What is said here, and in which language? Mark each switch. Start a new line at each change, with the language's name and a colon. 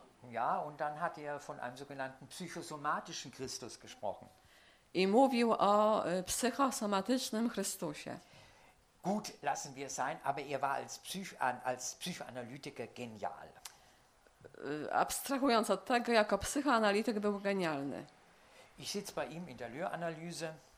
German: Ja, und dann hat er von einem sogenannten psychosomatischen Christus gesprochen.
Polish: I mówił o psychosomatycznym Chrystusie.
German: Gut, lassen wir sein, aber er war als Psychoanalytiker genial.
Polish: Abstrahując od tego, jako psychoanalityk był genialny.
German: Ich sitze bei ihm in der Lühr-Analyse.